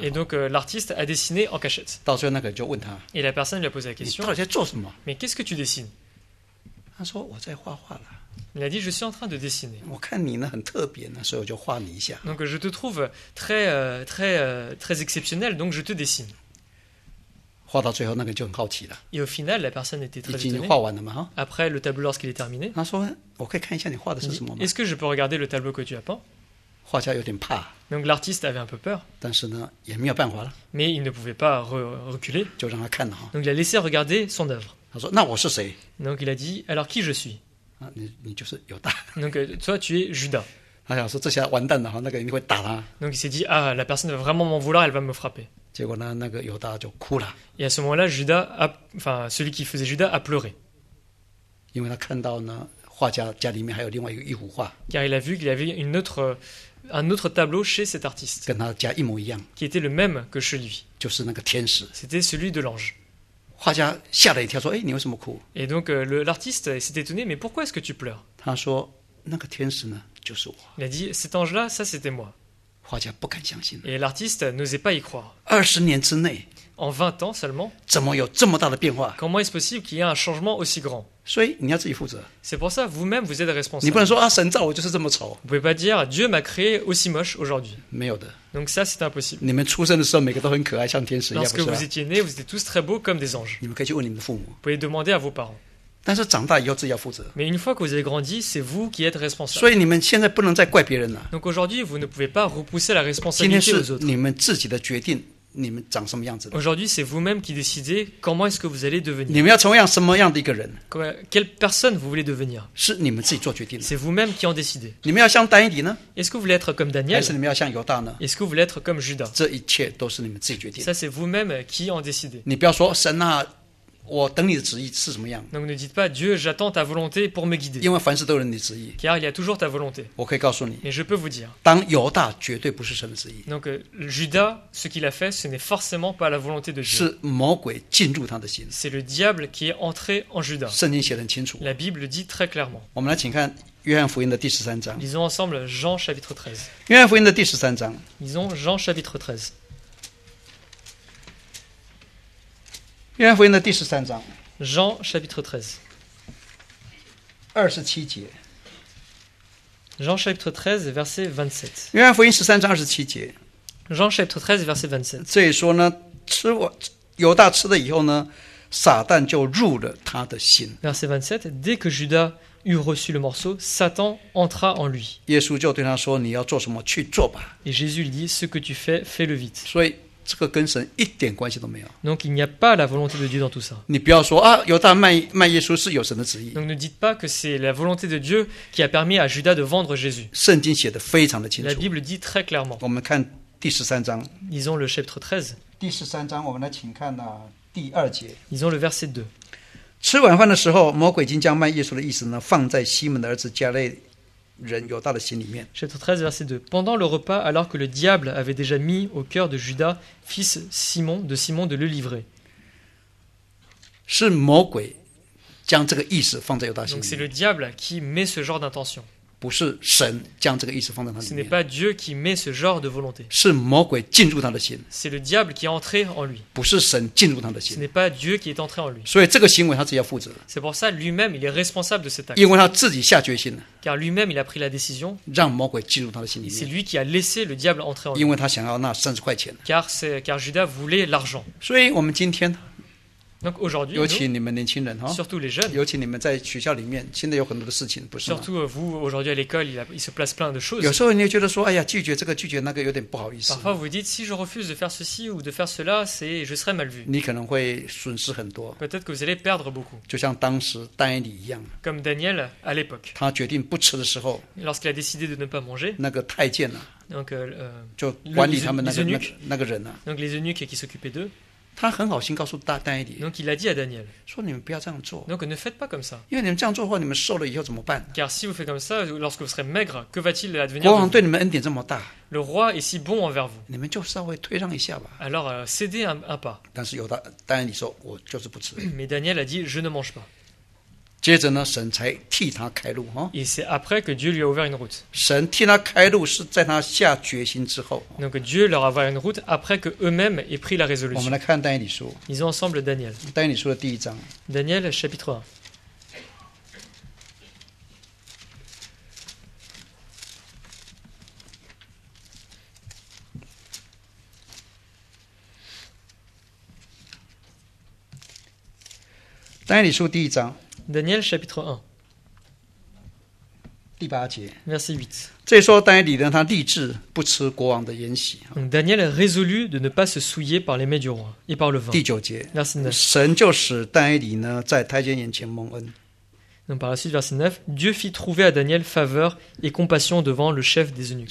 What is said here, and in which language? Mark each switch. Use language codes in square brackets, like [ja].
[fr] Et donc l'artiste a dessiné en cachette. [zh] 到最后那个人就问他。 [fr] Et la personne lui a posé la question. [zh] 你到底在做什么 [fr] ？Mais qu'est-ce que tu dessines？ [zh] 他说：“我在画画了。” [fr] Il a dit je suis en train de dessiner. [zh] 我看你呢很特别呢，所以我就画你一下。 [fr] Donc je te trouve très exceptionnel, donc je te dessine. [zh] 画到最后，那个就很好奇了。 [fr] Et au final, la personne était très étonnée. [zh] 已经画完了嘛？哈。 [fr] Après le tableau lorsqu'il est terminé. [zh] 他说：“我可以看一下你画的是什么吗 [fr] ？”Est-ce que je peux regarder le tableau que tu as peint？ [zh] 画家有点怕。 [fr] Donc l'artiste avait un peu peur. [zh] 但是呢，也没有办法了。 [fr] Mais il ne pouvait pas reculer. [zh] 就让他看了哈。 [fr] Donc il a laissé regarder son œuvre. [zh] 他说：“那我是谁 [fr] ？”Donc il a dit alors qui je suis？ [zh] 啊，你就是犹大。 [fr] Donc toi tu es Judas. [zh] 他想说这下完蛋了哈，那个一定会打他。 [fr] Donc il s'est dit ah la personne va vraiment m'en vouloir, elle va me frapper. [zh] 结果呢，那个犹大就哭了。 [fr] Et à ce moment-là, Judas, enfin celui qui faisait Judas, a pleuré. [zh] 因为他看到呢，画家家里面还有另外一幅画。 [fr] Car il a vu qu'il y avait une autre, un autre tableau chez cet artiste. [zh] 跟他家一模一样。 [fr] Qui était le même que chez lui. [zh] 就是那个天使。 [fr] C'était celui de l'ange. [zh] 画家吓了一跳，说：“哎，你为什么哭 [fr] ？”Et donc le, l'artiste s'est étonné, mais pourquoi est-ce que tu pleures？ [zh] 他说：“那个天使呢，就是我。 [fr] ”Il a dit cet ange là, ça c'était moi. [zh] 画家不敢相信。 [fr] Et l'artiste n'osait pas y croire. [zh] 二十年之内。 [fr] En 20 ans seulement. [zh] 怎么有这么大的变化 [fr] ？Comment est-ce possible qu'il y ait un changement aussi grand？ [zh] 所以你要自己负责。 [fr] C'est pour ça, vous-même, vous êtes responsable. [zh] 你不能说啊，神造我就是这么丑。 [fr] Vous pouvez pas dire Dieu m'a créé aussi moche aujourd'hui. [zh] 没有的。 [fr] Donc ça, c'est impossible. [zh] 你们出生的时候每个都很可爱，像天使一样。 [fr] Lorsque vous étiez nés, vous étiez tous très beaux comme des anges. [zh] 你们可以去问你们的父母。 [fr] Vous pouvez demander à vos parents. [zh] 但是长大以后自己要负责。 [fr] Mais une fois que vous avez grandi, c'est vous qui êtes responsable. [zh] 所以你们现在不能再怪别人了。 [fr] Donc aujourd'hui, vous ne pouvez pas repousser la responsabilité aux autres. [zh] 今天是你们自己的决定，你们长什么样子的。 [fr] Aujourd'hui, c'est vous-même qui décidez comment est-ce que vous allez devenir. [zh] 你们要成为什么样的一个人？ [fr] Quelle personne vous voulez devenir? [zh] 是你们自己做决定的。 [fr] C'est vous-même qui en décidez. [zh] 你们要像丹尼呢？ [fr] Est-ce que vous voulez être comme Daniel? [zh] 还是你们要像犹大呢？ [fr] Est-ce que vous voulez être comme Judas? [zh] 这一切都是你们自己决定的。 [fr] Ça, c'est vous-même qui en décidez. [zh] 你不要说神啊。我等你的旨意是什么样？ [fr] Donc ne dites pas Dieu, j'attends ta volonté pour me guider. [zh] 因为凡事都有你的旨意。 [fr] Car il y a toujours ta volonté. [zh] 我可以告诉你。 [fr] Et je peux vous dire. [zh] 当犹大绝对不是神的旨意。 [fr] Donc Judas, ce qu'il a fait, ce n'est forcément pas la volonté de Dieu. [zh] 是魔鬼进入他的心。 [fr] C'est le diable qui est entré en Judas. [zh] 圣经写得很清楚。 [fr] La Bible le dit très clairement. [zh] 我们来请看约翰福音的第十三章。 [fr] Lisons ensemble Jean chapitre 13. [zh] 约翰福音的第十三章。 [fr] Lisons Jean chapitre 13. [zh] 约翰福音的第十三章 [fr] Jean chapitre 13 [zh] 27节 [fr] Jean chapitre 13 verset 27 [zh] 约翰福音十三章二十七节 [fr] Jean chapitre 13 verset 27 [zh] 这里说呢吃我犹大吃了以后呢撒旦就入了他的心 [fr] Verset 27 Dès que Judas eut reçu le morceau Satan entra en lui [zh] 耶稣就对他说你要做什么去做吧 [fr] Et Jésus lui dit Ce que tu fais fais-le vite [zh] 所以这个跟神一点关系都没有。 [fr] Donc il n'y a pas la volonté de Dieu dans tout ça. [zh] 你不要说啊，犹大卖耶稣是有神的旨意。 [fr] Donc ne dites pas que c'est la volonté de Dieu qui a permis à Judas de vendre Jésus. [zh] 圣经写的非常的清楚。 [fr] La Bible dit très clairement. [zh] 我们看第十三章。 [fr] Lisons le chapitre 13. [zh] 第十三章，我们来请看呢第二节。 [fr] Lisons le verset 2. [zh] 吃晚饭的时候，魔鬼已经将卖耶稣的意思呢放在西门的儿子加勒。人犹大的心里面。 [fr] Chapitre 13, verset 2. Pendant le repas, alors que le diable avait déjà mis au cœur de Judas, fils Simon, de Simon de le livrer. [zh] 是魔鬼将这个意思放在犹大心里面。 [fr] Donc c'est le diable qui met ce genre d'intention. [zh] 不是神将这个意思放在他里面。 [fr] Ce n'est pas Dieu qui met ce genre de volonté. [zh] 是魔鬼进入他的心。 [fr] C'est le diable qui est entré en lui. [zh] 不是神进入他的心。 [fr] Ce n'est pas Dieu qui est entré en lui. [zh] 所以这个行为他自己要负责。 [fr] C'est pour ça, lui-même, il est responsable de cet acte. [zh] 因为他自己下决心了。 [fr] Car lui-même, il a pris la décision. [zh] 让魔鬼进入他的心里面。 [fr] C'est lui qui a laissé le diable entrer en lui. [zh] 因为他想要那三十块钱。 [fr] Car Judas voulait l'argent. [zh] 所以我们今天 [fr] Donc aujourd'hui, [zh] 尤其你们年轻人 [fr] surtout les jeunes, [zh] 尤其你们在学校里面，现在有很多的事情，不是吗？ [fr] Surtout vous aujourd'hui à l'école, il se place plein de choses. [zh] 有时候你觉得说，哎呀，拒绝这个，拒绝那个，有点不好意思。 [fr] Parfois vous dites, si je refuse de faire ceci ou de faire cela, je serai mal vu. [zh] 你可能会损失很多。 [fr] Peut-être que vous allez perdre beaucoup. [zh] 就像当时丹尼一样。 [fr] Comme Daniel à l'époque. [zh] 他决定不吃的时候。 [fr] Lorsqu'il a décidé de ne pas manger. [zh] 那个太监呐、啊。 [fr] Donc, [zh] 就管理他们那个人呐、啊。 [fr] Donc les eunuques qui s'occupaient d'eux. [zh] 他很好心告诉丹尼迪。 [fr] Donc il a dit à Daniel. [zh] 说你们不要这样做。 [fr] Donc ne faites pas comme ça. [zh] 因为你们这样做的话，你们瘦了以后怎么办？ [fr] Car si vous faites comme ça, lorsque vous serez maigre, que va-t-il advenir? [zh] 国王对你们恩典这么大。 [fr] Le roi est si bon envers vous. [zh] 你们就稍微退让一下吧。 [fr] Alors cédez un pas. [zh] 但是犹大丹尼迪说，我就是不吃。 [fr] Mais Daniel a dit, je ne mange pas. [zh] 接着呢，神才替他开路哈。 [fr] Et c'est après que Dieu lui a ouvert une route. [zh] 神替他开路是在他下决心之后。 [fr] Donc Dieu leur a ouvert une route après que eux-mêmes aient pris la résolution. [zh] 我们来看丹尼书。 [fr] Ils ont ensemble Daniel. [zh] 丹尼书的第一章。 [fr] Daniel chapitre 1. [zh] Daniel 书第一章。 [fr] Daniel chapitre 1, [zh] 第八节 [fr] verset 8. [zh] 这说丹尼呢，他立志不吃国王的筵席。 [fr] Daniel résolu de ne pas se souiller par les mets du roi et par le vin. [zh] 第九节 [fr] verset 9. [zh] 神就使丹尼呢在太监眼前蒙恩。 [fr] Donc par la suite verset 9, Dieu fit trouver à Daniel faveur et compassion devant le chef des eunuques.